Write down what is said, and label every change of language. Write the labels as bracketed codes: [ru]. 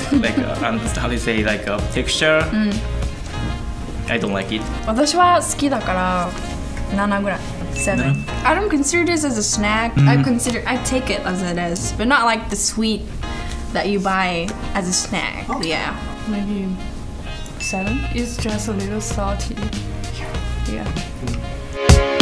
[en] Like, how do you say, like a texture? I don't like it. [ja] 私は好きだから7ぐらい。 [en] 7. No. I don't consider this as a snack. I take it as it is, but not like the sweet that you buy as a snack. Oh. Yeah. Maybe 7? It's just a little salty. Yeah. Yeah.